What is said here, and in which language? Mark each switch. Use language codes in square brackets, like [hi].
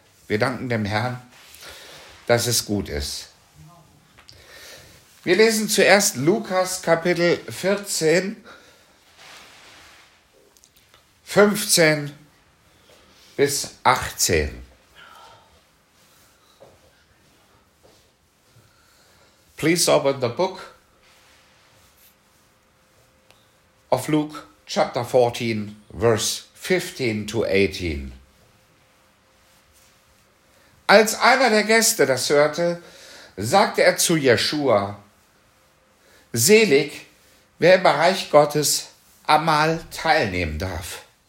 [de] Wir danken dem Herrn, dass es gut ist. Wir lesen zuerst Lukas Kapitel 14, 15 bis 18. [en] Please open the book of Luke, chapter 14, verse 15 to 18. [de] Als einer der Gäste das hörte, sagte er zu Jeschua: Selig, wer im Reich Gottes am Mahl teilnehmen darf.